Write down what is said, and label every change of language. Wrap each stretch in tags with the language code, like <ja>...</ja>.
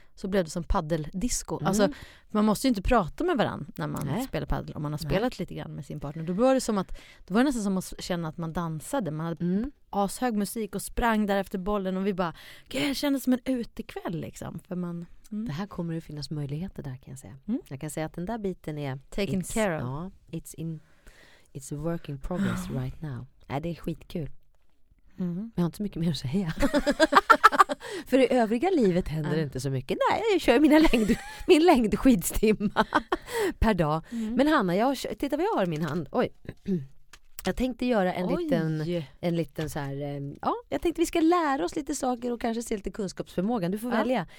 <sv>Så blev det som paddeldisco. Mm. Alltså, man måste ju inte prata med varandra när man spelar paddel. Om man har spelat lite grann med sin partner. Då var det som att, då var det nästan som att känna att man dansade. Man hade ashög musik och sprang där efter bollen. Och vi bara, gud, jag kände som en utekväll liksom. För man... Mm. Det här kommer ju finnas möjligheter där kan jag säga. Mm. Jag kan säga att den där biten är...</sv> <en>Taken care of. It's a work in progress right now.</en> <sv>Nej, det är skitkul. Men jag har inte så mycket mer att säga. För i övriga livet händer inte så mycket. Nej, jag kör min längdskidstimma per dag. Men Hanna, titta vad jag har i min hand. Oj. Jag tänkte göra en liten så här, ja, jag tänkte vi ska lära oss lite saker och kanske se lite kunskapsförmågan. Du får välja.</sv>